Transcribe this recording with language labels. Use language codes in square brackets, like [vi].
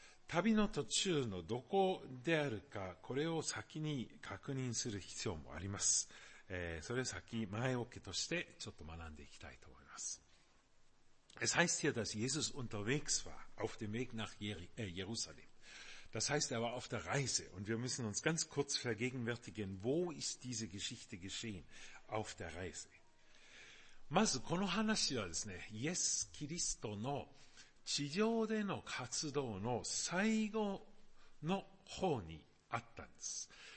[ja] 旅の途中のどこであるか、これを先に確認する必要もあります。それを先前置きとしてちょっと学んでいきたいと思います。 [de] Es heißt hier, dass Jesus unterwegs war auf dem Weg nach Jerusalem. Das heißt, er war auf der Reise. Und wir müssen uns ganz kurz vergegenwärtigen, wo ist diese Geschichte geschehen? Auf der Reise. [ja] まずこの話はですね、イエス・キリストの地上での活動の最後の方にあったんです。